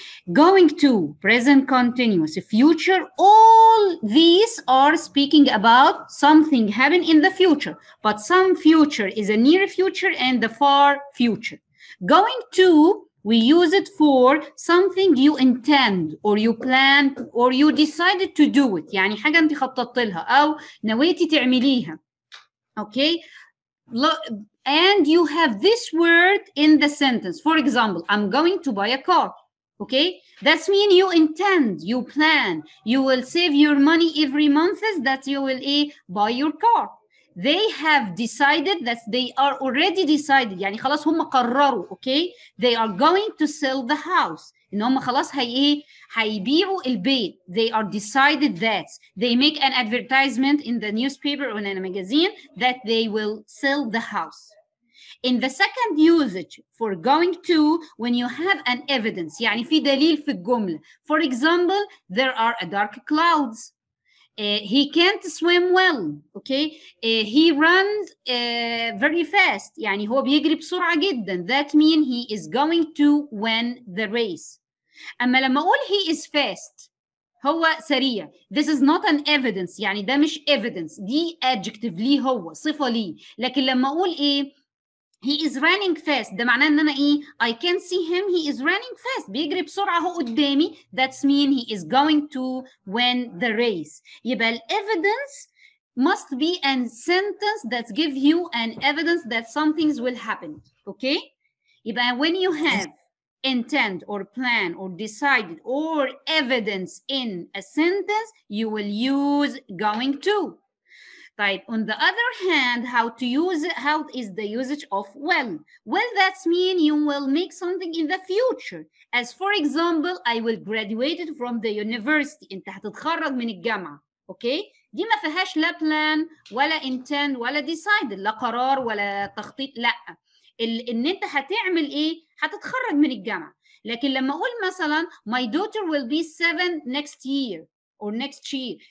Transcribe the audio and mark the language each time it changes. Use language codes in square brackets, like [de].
[en] Going to, present continuous, future, all these are speaking about something happening in the future. But some future is a near future and the far future. Going to, we use it for something you intend or you plan or you decided to do it. [ar] يعني حاجة انت خططت لها أو نويتي تعمليها. [en] Okay? And you have this word in the sentence. For example, I'm going to buy a car. Okay, that means you intend, you plan, you will save your money every month that you will buy your car. They have decided that they are already decided. [ar] يعني خلاص هم قرروا, [en] okay? They are going to sell the house. [ar] إن هم خلاص هيبيعوا البيت. [en] They are decided that. They make an advertisement in the newspaper or in a magazine that they will sell the house. In the second usage for going to, when you have an evidence, [ar] يعني في دليل في الجملة. [en] For example, there are a dark clouds. He can't swim well. Okay. He runs very fast. [ar] يعني هو بيجري بسرعة جدا. [en] That means he is going to win the race. [ar] أما لما أقول [en] he is fast, [ar] هو سريع. [en] This is not an evidence. [ar] يعني ده مش evidence. دي adjective ليه هو. صفة ليه. لكن لما أقول إيه؟ [en] He is running fast. [ar] ده معناه ان انا ايه؟ [en] I can see him. He is running fast. [ar] بيجري بسرعة هو قدامي. [en] That's mean he is going to win the race. [ar] يبقى ال [en] evidence must be a sentence that give you an evidence that some things will happen. Okay? يبقى when you have intent or plan or decided or evidence in a sentence, you will use going to. Type. On the other hand, how to use it, how is the usage of when? Well, that means you will make something in the future. As for example, I will graduate from the university. [ar] انت هتتخرج من الجامعة. Okay? دي ما فيهاش لا plan ولا intend ولا decided. لا قرار ولا تخطيط. لا. ان انت هتعمل ايه؟ هتتخرج من الجامعة. لكن لما اقول مثلا [en] my daughter will be 7 next year. Or next year.